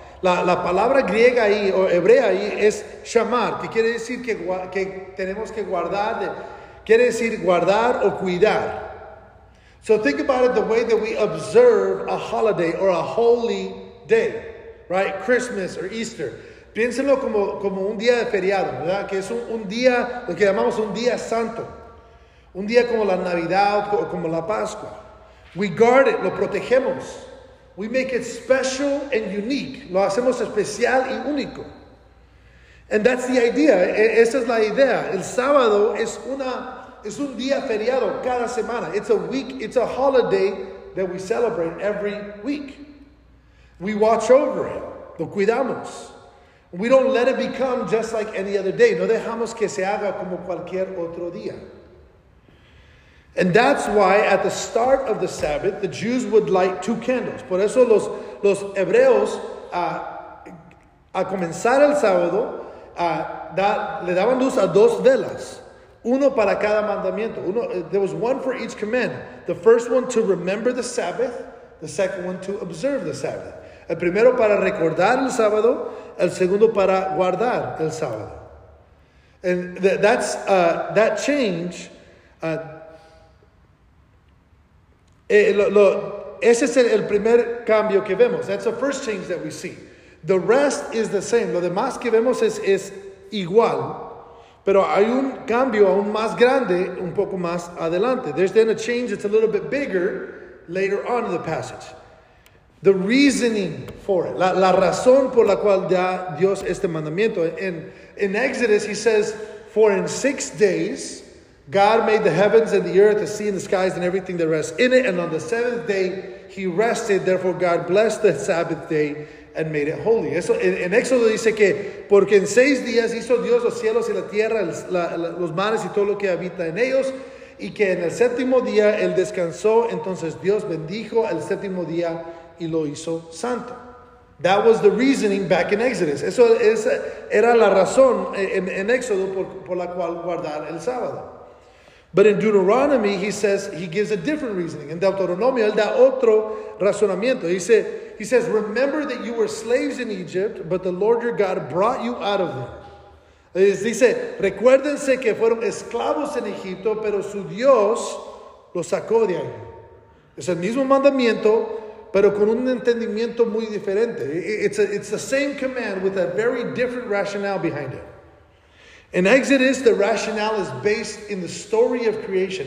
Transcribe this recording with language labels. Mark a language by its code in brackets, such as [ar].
[es] La palabra griega ahí o hebrea ahí es shamar, que quiere decir que tenemos que guardar, quiere decir guardar o cuidar. [en] So think about it the way that we observe a holiday or a holy day, right? Christmas or Easter. [es] Piénsenlo como un día de feriado, ¿verdad? Que es un día, lo que llamamos un día santo. Un día como la Navidad o como la Pascua. [en] We guard it, [es] lo protegemos. [en] We make it special and unique. [es] Lo hacemos especial y único. [en] And that's the idea. [es] Esa es la idea. El sábado es un día feriado cada semana. [en] It's a week, it's a holiday that we celebrate every week. We watch over it. [es] Lo cuidamos. [en] We don't let it become just like any other day. [es] No dejamos que se haga como cualquier otro día. [en] And that's why at the start of the Sabbath, the Jews would light two candles. [es] Por eso los hebreos, a comenzar el sábado, le daban luz a dos velas. Uno para cada mandamiento. [en] There was one for each command. The first one to remember the Sabbath. The second one to observe the Sabbath. [es] El primero para recordar el sábado. El segundo para guardar el sábado. [en] And that change. [es] Ese es el primer cambio que vemos. [en] That's the first change that we see. The rest is the same. [es] Lo demás que vemos es igual. Pero hay un cambio aún más grande, un poco más adelante. [en] There's then a change that's a little bit bigger later on in the passage. The reasoning for it. [es] La razón por la cual da Dios este mandamiento. [en] In Exodus, he says, for in 6 days, God made the heavens and the earth, the sea and the skies and everything that rests in it. And on the seventh day, he rested. Therefore, God blessed the Sabbath day and made it holy. [es] Eso, en Éxodo dice que porque en 6 días hizo Dios los cielos y la tierra, los mares y todo lo que habita en ellos, y que en el séptimo día él descansó, entonces Dios bendijo el séptimo día y lo hizo santo. [en] That was the reasoning back in Exodus. [es] Eso era la razón en Éxodo por la cual guardar el sábado. [en] But in Deuteronomy, he says, he gives a different reasoning. [es] En Deuteronomio, él da otro razonamiento. [en] He says, remember that you were slaves in Egypt, but the Lord your God brought you out of them. [es] Dice, recuérdense que fueron esclavos en Egipto, pero su Dios los sacó de ahí. Es el mismo mandamiento, pero con un entendimiento muy diferente. [en] It's the same command with a very different rationale behind it. In Exodus, the rationale is based in the story of creation.